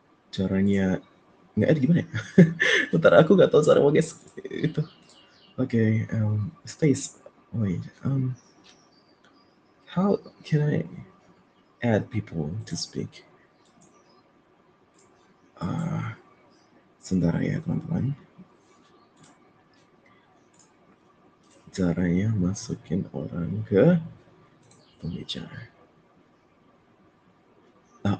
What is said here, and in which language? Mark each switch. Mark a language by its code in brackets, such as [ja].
[id] Caranya enggak ada gimana ya? Bentar, aku enggak tahu cara guys itu. [en] Okay, space. Wait. How can I add people to speak? [id] Caranya masukin orang ke pembicara.